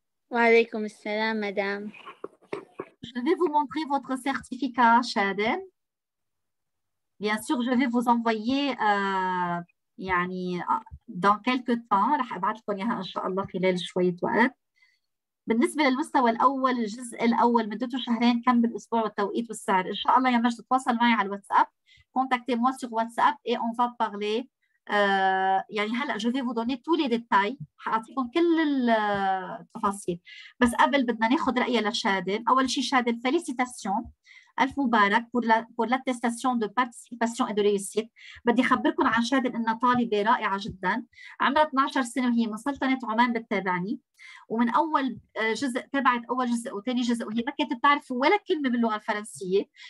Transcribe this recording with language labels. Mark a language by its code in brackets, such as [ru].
[ar] Wa alaikum salam, madame. [fr] Je vais vous montrer votre certificat, Shaden. Bien sûr, je vais vous envoyer [ar] yani, [fr] dans quelques temps. Je vais vous envoyer, [ar] inshallah, [fr] dans quelques temps. [ar] بالنسبة للمستوى الأول، الجزء الأول مدته شهرين، كم بالأسبوع والتوقيت والسعر؟ إن شاء الله يا مجد تواصل معي على الواتساب، [fr] contactez moi sur WhatsApp et on va parler. [ar] يعني هلأ [fr] je vais vous donner tous les détails، [ar] حأعطيكم كل التفاصيل، بس قبل بدنا ناخذ رأيي لشادن. أول شيء شادن فيليسيتاسيون، ألف مبارك [fr] pour l'attestation de participation et de réussite. [ar] بدي أخبركم عن شادن إنها طالبة رائعة جدا، عمرها 12 سنة وهي من سلطنة عمان بتتابعني، ومن أول جزء تابعت أول جزء وثاني جزء وهي ما كانت بتعرف ولا كلمة باللغة الفرنسية.